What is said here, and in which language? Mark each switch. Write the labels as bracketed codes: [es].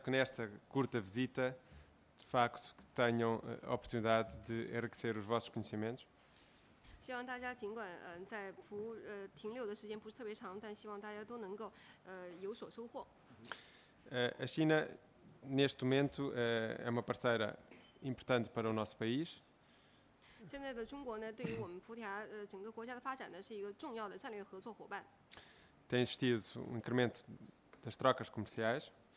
[pt] que nesta curta visita, de facto, tenham a oportunidade de enriquecer os vossos conhecimentos. [zh] 希望大家尽管在停留的时间不是特别长，但希望大家都能够有所收获。 [pt] A China, neste momento, é uma parceira importante para o nosso país. Tem existido um incremento das trocas comerciais.